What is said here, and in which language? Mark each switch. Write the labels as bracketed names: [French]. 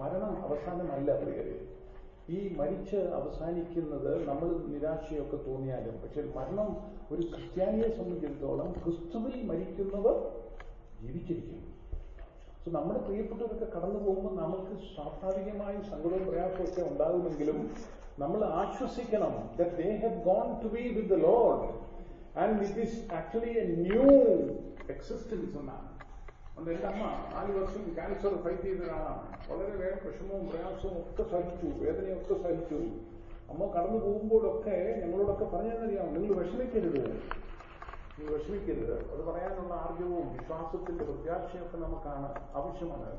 [Malayalam] മരണം അവസാനമല്ല പ്രിയരെ. ഈ മരിച്ച് അവസാനിക്കുന്നത് നമ്മൾ നിരാശയൊക്കെ തോന്നിയാലും, പക്ഷെ മരണം ഒരു ക്രിസ്ത്യാനിയെ സംബന്ധിച്ചിടത്തോളം ക്രിസ്തുവിൽ മരിക്കുന്നവർ ജീവിച്ചിരിക്കുന്നു. സോ നമ്മുടെ പ്രിയപ്പെട്ടവരൊക്കെ കടന്നു പോകുമ്പോൾ നമുക്ക് സ്വാഭാവികമായ സങ്കടവും പ്രയാസമൊക്കെ ഉണ്ടാകുമെങ്കിലും നമ്മൾ ആശ്വസിക്കണം [English] that they have gone to be with the Lord. And it is actually a new existence. [Malayalam] എന്റെ അമ്മ 4 വർഷം ക്യാൻസർ ഫൈറ്റ് ചെയ്തതാണ്. വളരെ വേഗം വിഷമവും പ്രയാസവും ഒക്കെ സഹിച്ചു, വേദനയൊക്കെ സഹിച്ചു. അമ്മ കടന്നു പോകുമ്പോഴൊക്കെ ഞങ്ങളോടൊക്കെ പറഞ്ഞതറിയാം, നിങ്ങൾ വിഷമിക്കരുത്, നിങ്ങൾ വിഷമിക്കരുത്. അത് പറയാനുള്ള ആർജവും വിശ്വാസത്തിന്റെ പ്രത്യാശയൊക്കെ നമുക്കാണ് ആവശ്യമാണ്.